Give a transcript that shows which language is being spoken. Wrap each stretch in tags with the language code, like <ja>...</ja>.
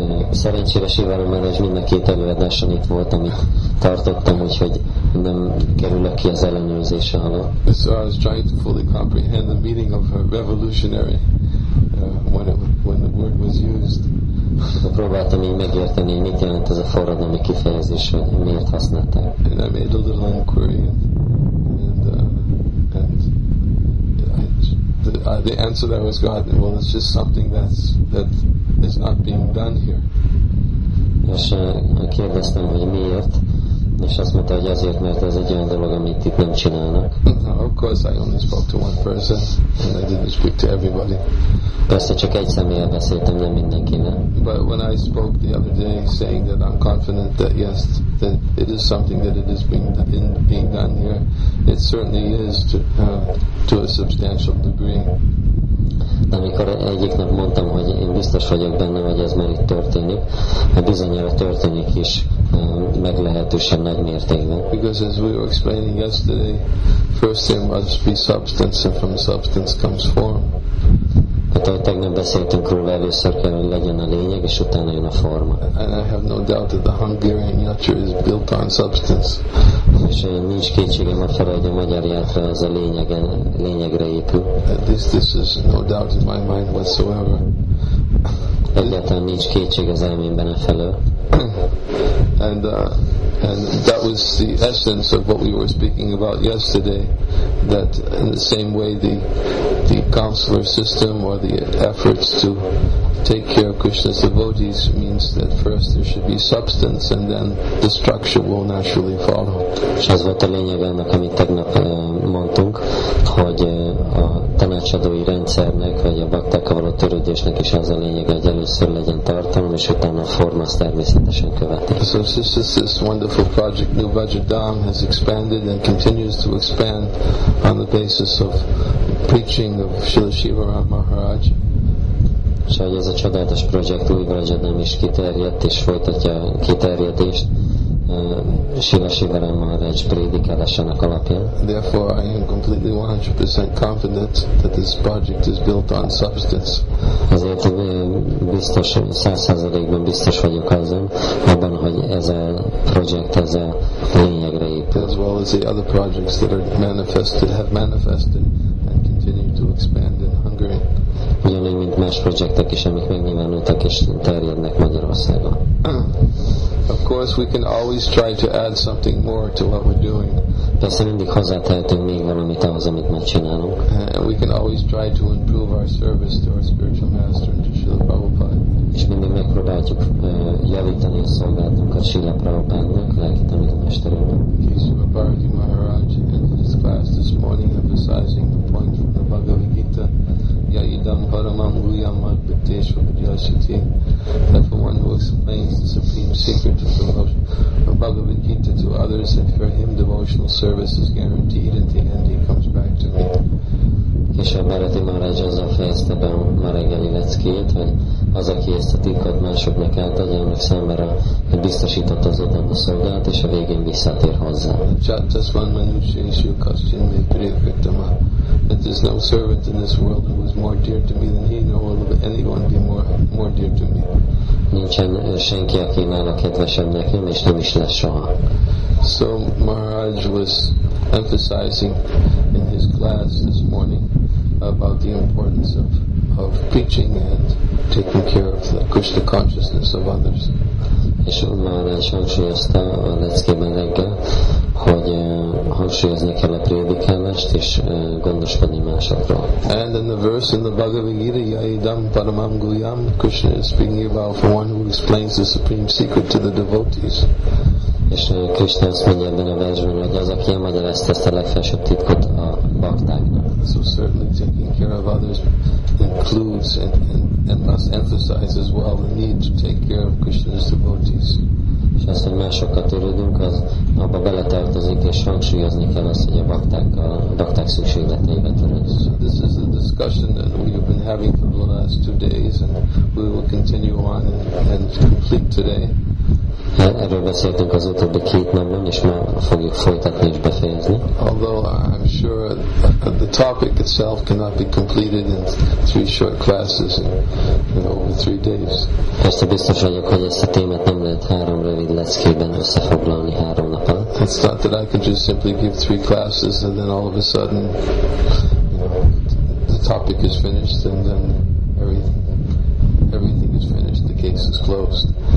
<hu>Szerencsére Shiva Maharaj mind a két előadáson itt volt, amit tartottam, úgyhogy nem kerülök ki az ellenőrzés alól.</hu> <en>So I was trying to fully comprehend the meaning of a revolutionary when the word was used.</en> <hu>Próbáltam így megérteni, mit jelent ez a forradalmi kifejezés, hogy miért használták.</hu> <en>And I made a little inquiry and the answer that was gotten, well, it's just something that is not being done here.</en> <hu>És kérdeztem, hogy miért, és azt mondta, hogy azért, mert ez egy olyan dolog, amit itt nem csinálnak.</hu> <en>Now, of course, I only spoke to one person, and I didn't speak to everybody.</en> <hu>Persze csak egy személyen beszéltem, nem mindenkinek.</hu> <en>But when I spoke the other day, saying that I'm confident that yes, that it is something that it is being done here, it certainly is to a substantial degree.</en> <hu>Amikor egyik nap mondtam, hogy én biztos vagyok benne, hogy ez már itt történik, bizonyára történik is meglehetősen nagy mértékben.</hu> <en>Because as we were explaining yesterday, first there must be substance, and from substance comes form.</en> <hu>Tehát ahogy tegnap beszéltünk róla, először kell, hogy legyen a lényeg, és utána jön a forma.</hu> <en>And I have no doubt that the Hungarian yatra is built on substance.</en> <hu>És nincs kétségem a felé, hogy a magyar yatra az a lényegre épül.</hu> <en>This is no doubt in my mind whatsoever.</en> <hu>Egyáltalán nincs kétség az elmémben a felől.</hu> <en>And that was the essence of what we were speaking about yesterday, that in the same way the counselor system or the efforts to take care of Krishna's devotees means that first there should be substance and then the structure will naturally follow.</en> <hu>Ez volt a lényeg annak, amit tegnap mondtunk, hogy a tanácsadói rendszernek, vagy a bakták való törődésnek is az a lényeg, hogy először legyen tartalom, és utána a forma természetesen követi.</hu> <en>So this wonderful project, New Vajradham, has expanded and continues to expand on the basis of preaching of Srila Shivaram Maharaj.</en> <hu>És hogy ez a csodálatos projekt Új Vajradham is kiterjedt és folytatja kiterjedést Srila Shivaram Maharaj prédikálásának alapján.</hu> <en>Therefore I am completely 100% confident that this project is built on substance.</en> <hu>Ezért biztos, 100%-ban biztos vagyok azon, abban, hogy ez a projekt, ez a lényegre épül.</hu> <en>As well as the other projects that have manifested and continue to expand in Hungary.</en> <hu>Ugyanúgy, mint más projektek is, amik megnyilvánultak és terjednek Magyarországon.</hu> <en>Of course, we can always try to add something more to what we're doing.</en> <hu>Persze mindig hozzátehetünk még valamit ahhoz, amit már csinálunk.</hu> <en>And we can always try to improve our service to our spiritual master, to Srila Prabhupada.</en> <hu>És mindig megpróbáljuk javítani a szolgálatunkat Srila Prabhupádnak, lelki tanítmesterünknek.</hu> <en>Kisva Bharati Maharaj ended his class this morning emphasizing the point from the Bhagavad Gita.</en> <sa>Yaidam paramam guyam adbhiteshva vidyasati.</sa> <en>That for one who explains the supreme secret of devotion of Bhagavad Gita to others, and for him devotional service is guaranteed, at the end he comes back to me.</en> <hu>Kisebb Bharati Maharaj azzal fejezte be a ma reggeli leckét, hogy az, aki ezt a titkot másoknak átadja, annak számára biztosított az adott szolgálat, és a végén visszatér hozzá. Just one minutia issue question, may Priyakritama.</hu> <en>That there's no servant in this world who is more dear to me than he, nor will anyone be more dear to me.</en> <hu>Nincsen senki, aki nála kedvesebb nekem, és nem is lesz soha.</hu> <en>So Maharaj was emphasizing in his class this morning about the importance of preaching and taking care of the Krishna consciousness of others.</en> <hu>És Maharaj hangsúlyozta a leckében reggel, hogy hangsúlyozni kell a prédikálást és gondoskodni másokról.</hu> <en>And in the verse in the Bhagavad Gita,</en> <sa>Yaidam Paramam Guyam,</sa> <en>Krishna is speaking about for one who explains the supreme secret to the devotees.</en> <hu>És Krishna azt mondja ebben a versben, hogy az, aki elmagyarázta ezt a legfelsőbb titkot a baktáknak.</hu> <en>So certainly taking care of others includes and must emphasize as well the need to take care of Krishna's devotees.</en> <hu>És azt, hogy másokat érődünk, az abba beletartozik, és hangsúlyozni kell azt, hogy a bakták szükségleteivel törődünk.</hu> <en>So this is a discussion that we've been having for the last 2 days, and we will continue on and complete today.</en> <hu>Erről beszéltünk az utóbbi 2 napban, és már fogjuk folytatni és befejezni.</hu> <en>Although I'm sure the topic itself cannot be completed in 3 short classes, you know, over 3 days.</en> <hu>Persze biztos vagyok, hogy ezt a témát nem lehet 3 rövid leckében összefoglalni 3 napon.</hu> <en>It's not that I can just simply give 3 classes and then all of a sudden, you know, the topic is finished and then everything is finished, the case is closed.</en>